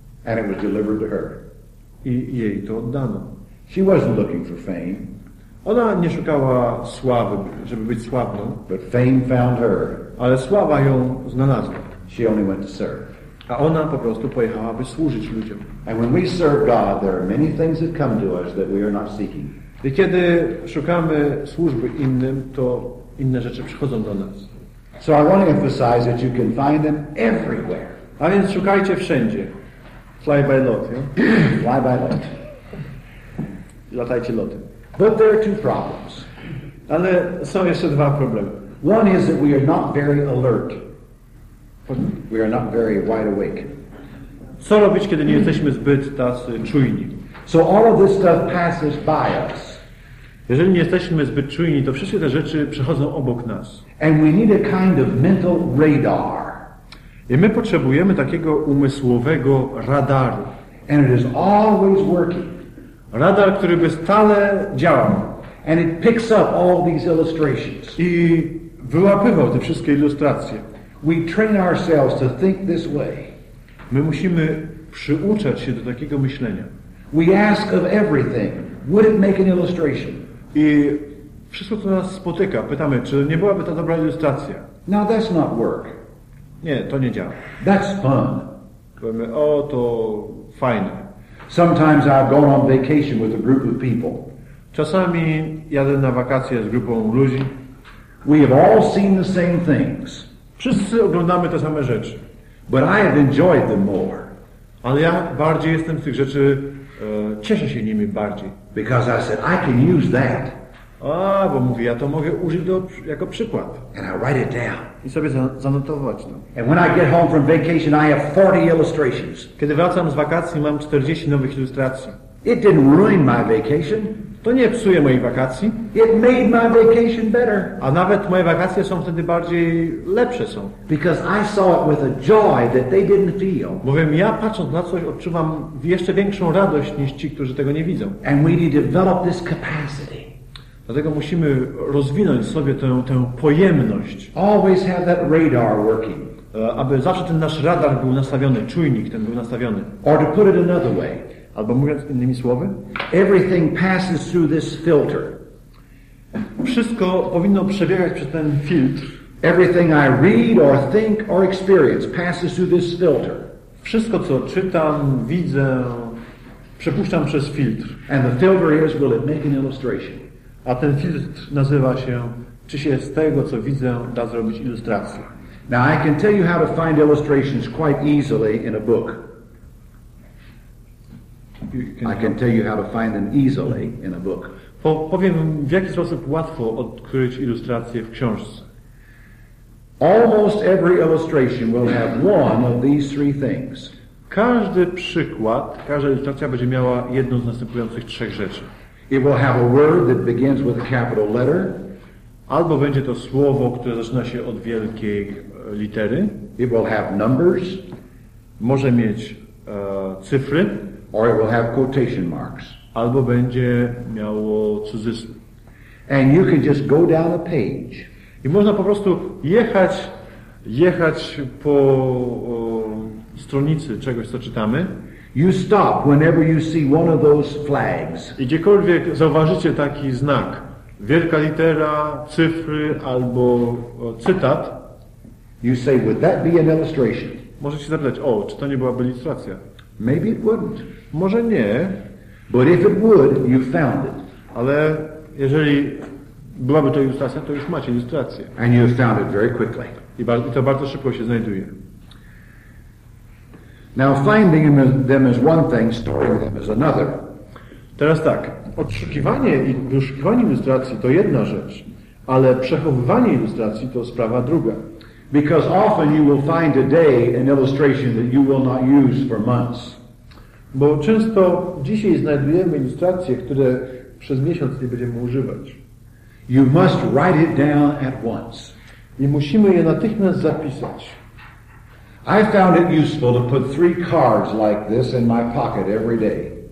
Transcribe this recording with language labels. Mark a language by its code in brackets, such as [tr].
[en] And it was delivered to her. [pl] I jej to oddano. [en] She wasn't looking for fame. [pl] Ona nie szukała sławy, żeby być sławną. [en] But fame found her. [pl] Ale sława ją znalazła. [en] She only went to serve. [pl] A ona po prostu pojechała, by służyć ludziom. [en] And when we serve God, there are many things that come to us that we are not seeking. [pl] I kiedy szukamy służby innym, to inne rzeczy przychodzą do nas. [en] So I want to emphasize that you can find them everywhere. [pl] A więc szukajcie wszędzie. [en] Fly by lot, yeah? Fly by lot. [pl] Latajcie lotem. [en] But there are two problems. [pl] Ale są jeszcze dwa problemy. [en] One is that we are not very alert. We are not very wide awake. [pl] Co robić, kiedy nie jesteśmy zbyt tacy czujni? [en] So all of this stuff passes by us. [pl] Jeżeli nie jesteśmy zbyt czujni, to wszystkie te rzeczy przechodzą obok nas. [en] And we need a kind of mental radar. [pl] I my potrzebujemy takiego umysłowego radaru. [en] And it is always working. [pl] Radar, który by stale działał. [en] And it picks up all these illustrations. [pl] I wyłapywał te wszystkie ilustracje. [en] We train ourselves to think this way. [pl] My musimy przyuczać się do takiego myślenia. [en] We ask of everything, would it make an illustration? [pl] I wszystko, co nas spotyka, pytamy, czy nie byłaby to dobra ilustracja. [en] Now that's not work. [pl] Nie, to nie działa. [en] That's fun. [pl] Powiemy, o, to fajne. [en] Sometimes I've gone on vacation with a group of people. [pl] Czasami jadę na wakacje z grupą ludzi. [en] We have all seen the same things. [pl] Wszyscy oglądamy te same rzeczy. [en] But I have enjoyed them more. [pl] Ale ja bardziej jestem z tych rzeczy, cieszę się nimi bardziej. [en] Because I said, I can use that. [pl] A, bo mówi, ja to mogę użyć do, jako przykład. [en] And I write it down. [pl] I sobie zanotować to. [en] And when I get home from vacation, I have 40 illustrations. [pl] Kiedy wracam z wakacji, mam 40 nowych ilustracji. [en] It didn't ruin my vacation. [pl] To nie psuje mojej wakacji. [en] It made my vacation better. [pl] A nawet moje wakacje są wtedy bardziej lepsze są. [en] Because I saw it with a joy that they didn't feel. [pl] Mówię, ja patrząc na coś odczuwam jeszcze większą radość niż ci, którzy tego nie widzą. [en] And we need to develop this capacity. [pl] Dlatego musimy rozwinąć sobie tę pojemność. [en] Always have that radar working. [pl] Aby zawsze ten nasz radar był nastawiony, czujnik ten był nastawiony. [en] Or to put it another way. [pl] Albo mówiąc innymi słowy, [en] everything passes through this filter. [pl] Wszystko powinno przebiegać przez ten filtr. [en] Everything I read or think or experience passes through this filter. [pl] Wszystko, co czytam, widzę, przepuszczam przez filtr. [en] And the filter is, will it make an illustration? [pl] A ten filtr nazywa się, czy się z tego, co widzę, da zrobić ilustrację. [en] Now I can tell you how to find illustrations quite easily in a book. I can tell you how to find them easily in a book. [pl] Powiem, w jaki sposób łatwo odkryć ilustrację w książce. [en] Almost every illustration will have one of these three things. [pl] Każdy przykład, każda ilustracja będzie miała jedną z następujących trzech rzeczy. [en] It will have a word that begins with a capital letter. [pl] Albo będzie to słowo, które zaczyna się od wielkiej litery. [en] It will have numbers. [pl] Może mieć cyfry. [en] Or it will have quotation marks. [pl] Albo będzie miało cudzysły. [en] And you can just go down a page. [pl] I można po prostu jechać po stronicy czegoś, co czytamy. [en] You stop whenever you see one of those flags. [pl] I gdziekolwiek zauważycie taki znak, wielka litera, cyfry albo cytat, [en] you say, would that be an illustration? [pl] Możecie zapytać, o, czy to nie byłaby ilustracja? [en] Maybe it wouldn't. [pl] Może nie, [en] but if it would, you found it. [pl] Ale jeżeli byłaby to ilustracja, to już macie ilustrację. [en] And you found it very quickly. [pl] I to bardzo szybko się znajduje. [en] Now finding them is one thing, storing them is another. [pl] Teraz tak, odszukiwanie i wyszukiwanie ilustracji to jedna rzecz, ale przechowywanie ilustracji to sprawa druga. [en] Because often you will find today an illustration that you will not use for months. [pl] Bo często dzisiaj znajdujemy ilustracje, które przez miesiąc nie będziemy używać. [en] You must write it down at once. [pl] I musimy je natychmiast zapisać. [en] I found it useful to put three cards like this in my pocket every day.